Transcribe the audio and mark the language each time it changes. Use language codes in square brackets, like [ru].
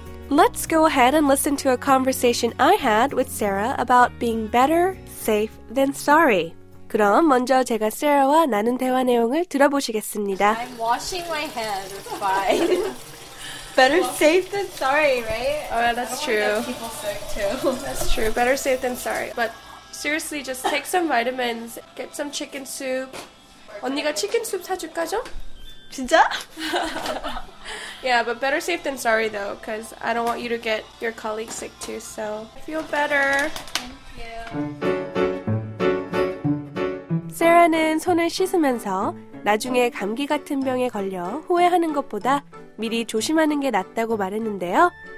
[en] Let's go ahead and listen to a conversation I had with Sarah about being better safe than sorry. [ko] 그럼 먼저 제가 세라와 나눈 대화 내용을 들어보시겠습니다. [en] I'm washing my head. It's fine. Better safe than sorry, right? Oh, yeah, that's true. I don't want to get people sick, too. That's true. Better safe than sorry. But seriously, just take some vitamins. Get some chicken soup. [ko] 언니가 치킨 수프 사줄까죠? 진짜? [en] Yeah, but better safe than sorry, though, because I don't want you to get your colleagues sick, too. So feel better. Thank you. [ko] 세라는 손을 씻으면서 나중에 감기 같은 병에 걸려 후회하는 것보다 미리 조심하는 게 낫다고 말했는데요.